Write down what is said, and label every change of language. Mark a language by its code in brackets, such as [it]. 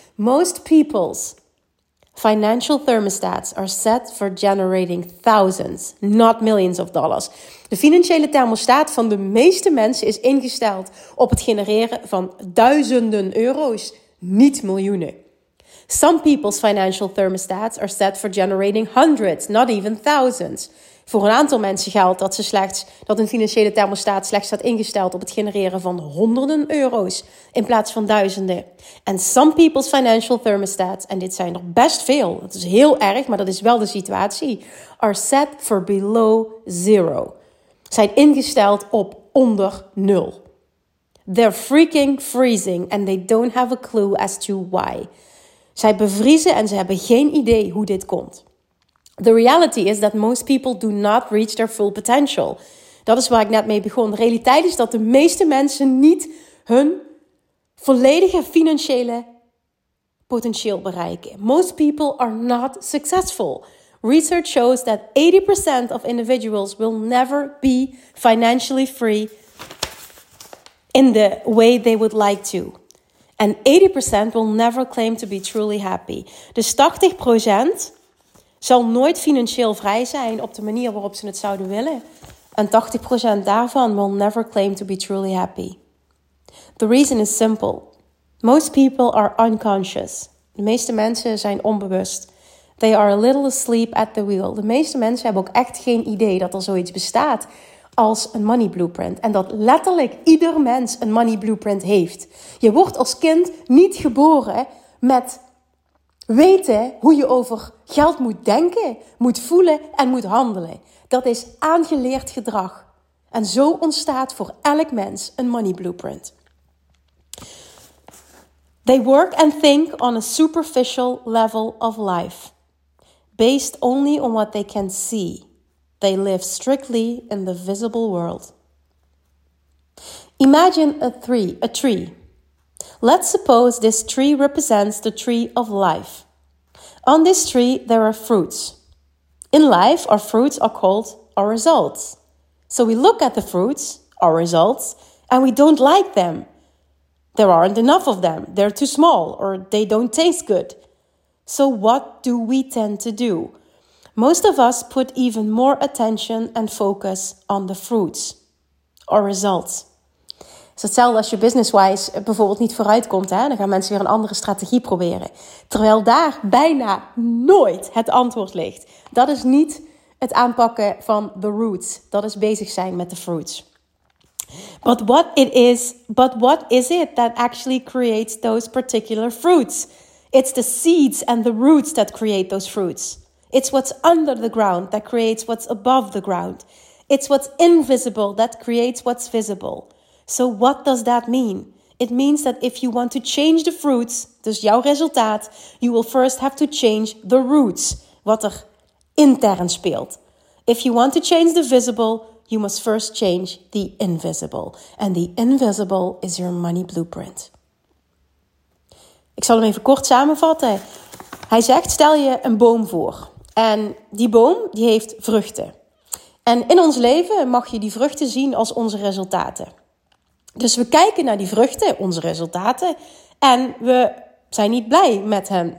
[en] Most people's financial thermostats are set for generating thousands, not millions of dollars. [nl] De financiële thermostaat van de meeste mensen is ingesteld op het genereren van duizenden euro's, niet miljoenen. [en] Some people's financial thermostats are set for generating hundreds, not even thousands. [nl] Voor een aantal mensen geldt dat een financiële thermostaat slechts staat ingesteld op het genereren van honderden euro's in plaats van duizenden. En [en] some people's financial thermostats, [nl] en dit zijn er best veel, dat is heel erg, maar dat is wel de situatie, [en] are set for below zero. [nl] Zijn ingesteld op onder nul. [en] They're freaking freezing and they don't have a clue as to why. [nl] Zij bevriezen en ze hebben geen idee hoe dit komt. [en] The reality is that most people do not reach their full potential. [nl] Dat is waar ik net mee begon. De realiteit is dat de meeste mensen niet hun volledige financiële potentieel bereiken. [en] Most people are not successful. Research shows that 80% of individuals will never be financially free in the way they would like to. And 80% will never claim to be truly happy. [nl] Dus 80% zal nooit financieel vrij zijn op de manier waarop ze het zouden willen. En 80% daarvan [en] will never claim to be truly happy. The reason is simple. Most people are unconscious. [nl] De meeste mensen zijn onbewust. [en] They are a little asleep at the wheel. [nl] De meeste mensen hebben ook echt geen idee dat er zoiets bestaat als een money blueprint. En dat letterlijk ieder mens een money blueprint heeft. Je wordt als kind niet geboren met weten hoe je over geld moet denken, moet voelen en moet handelen. Dat is aangeleerd gedrag. En zo ontstaat voor elk mens een money blueprint. [en] They work and think on a superficial level of life. Based only on what they can see. They live strictly in the visible world. Imagine a tree. Let's suppose this tree represents the tree of life. On this tree, there are fruits. In life, our fruits are called our results. So we look at the fruits, our results, and we don't like them. There aren't enough of them. They're too small or they don't taste good. So what do we tend to do? Most of us put even more attention and focus on the fruits, our results. [nl] Het is hetzelfde als je business-wise bijvoorbeeld niet vooruitkomt. Dan gaan mensen weer een andere strategie proberen. Terwijl daar bijna nooit het antwoord ligt. Dat is niet het aanpakken van the roots. Dat is bezig zijn met de fruits. [en] But what is it that actually creates those particular fruits? It's the seeds and the roots that create those fruits. It's what's under the ground that creates what's above the ground. It's what's invisible that creates what's visible. So what does that mean? It means that if you want to change the fruits, [nl] dus jouw resultaat, [en] you will first have to change the roots, [nl] wat er intern speelt. [en] If you want to change the visible, you must first change the invisible. And the invisible is your money blueprint. [nl] Ik zal hem even kort samenvatten. Hij zegt, stel je een boom voor. En die boom, die heeft vruchten. En in ons leven mag je die vruchten zien als onze resultaten. Dus we kijken naar die vruchten, onze resultaten, en we zijn niet blij met hen.